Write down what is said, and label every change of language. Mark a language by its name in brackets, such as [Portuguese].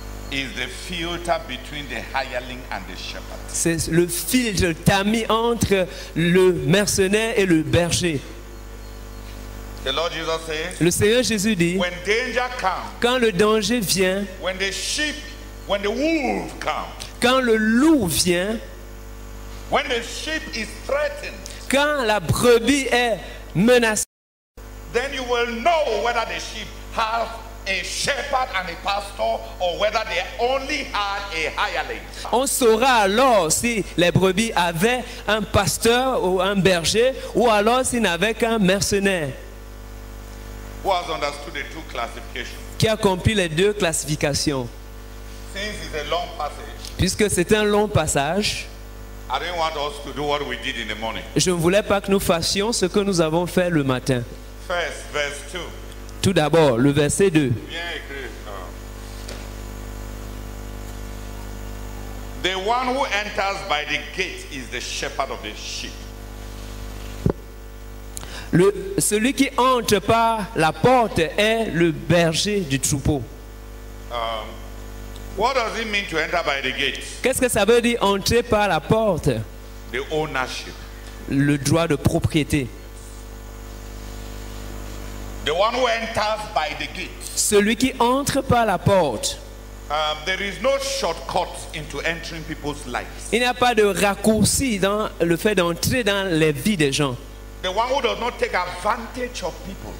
[English] Is the filter between the hireling and the shepherd. [French] C'est le filtre tamis entre le mercenaire et le berger. [English] The Lord Jesus says, [French] le Seigneur Jésus dit, [English] when danger comes, [French] quand le danger vient, [English] when the sheep, when the wolf comes, [French] quand le loup vient, [English] when the sheep is threatened, [French] quand la brebis est menacée, [English] then you will know whether the sheep have a shepherd and a pastor, or whether they only had a hireling. [French] On saura alors si les brebis avaient un pasteur ou un berger, ou alors s'ils n'avaient qu'un mercenaire. [English] Who has understood the two classifications? [French] Qui a compris les deux classifications? [English] Since it's a long passage, [French] puisque c'est un long passage, [English] I didn't want us to do what we did in the morning. [French] Je ne voulais pas que nous fassions ce que nous avons fait le matin. [English] First, verse 2. [French] Tout d'abord, le verset 2. Bien écrit. [English] The one who enters by the gate is the shepherd of the sheep. [French] Celui qui entre par la porte est le berger du troupeau. [English] What does it mean to enter by the gate? [French] Qu'est-ce que ça veut dire entrer par la porte? [English] The ownership. [French] Le droit de propriété. [English] The one who enters by the gate. [French] Celui qui entre par la porte. [English] There is no shortcut into entering people's lives. [French] Il n'y a pas de raccourci dans le fait d'entrer dans les vies des gens. [English] The one who does not take advantage of people.